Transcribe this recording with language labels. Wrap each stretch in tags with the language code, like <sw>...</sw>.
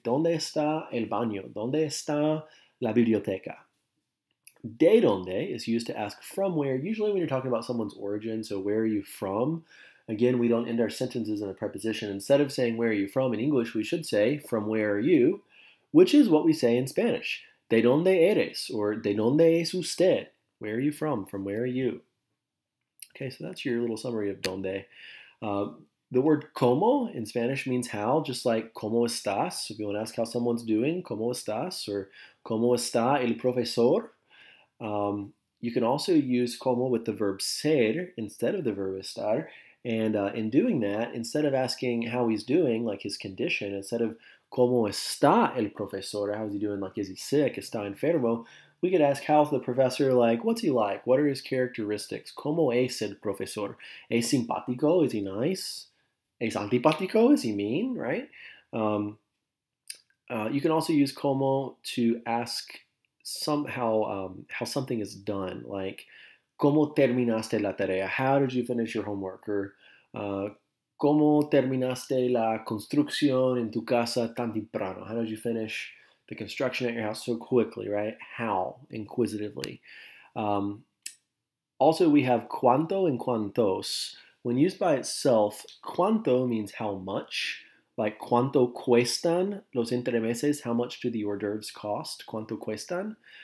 <es>¿Dónde está el baño? ¿Dónde está la biblioteca?</es> <en>De donde is used to ask from where, usually when you're talking about someone's origin, so where are you from? Again, we don't end our sentences in a preposition. Instead of saying, where are you from in English, we should say, from where are you, which is what we say in Spanish.</en> <es>De donde eres, or de donde es usted?</es> <en>Where are you from where are you? Okay, so that's your little summary of donde. The word como in Spanish means how, just like</en> <es>como estás.</es> <en>If you want to ask how someone's doing,</en> <es>como estás,</es> <en>or</en> <es>como está el profesor.</es> <en>You can also use como with the verb ser instead of the verb estar. And in doing that, instead of asking how he's doing, like his condition, instead of</en> <es>como está el profesor,</es> <en>how is he doing, like is he sick,</en> <es>está enfermo,</es> <en>we could ask how's the professor, like what's he like, what are his characteristics,</en> <es>como es el profesor, es simpático,</es> <en>is he nice,</en> <es>es antipático,</es> <en>is he mean, right? You can also use como to ask somehow how something is done, like</en> <es>¿cómo terminaste la tarea?</es> <en>How did you finish your homework?</en> <es>Or ¿cómo terminaste la construcción en tu casa tan temprano?</es> <en>How did you finish the construction at your house so quickly, right? How, inquisitively. Also, we have ¿cuánto and cuántos? When used by itself, ¿cuánto means how much? Like</en> <es>¿cuánto cuestan los entremeses?</es> <en>How much do the hors d'oeuvres cost?</en> <es>¿Cuánto cuestan?</es>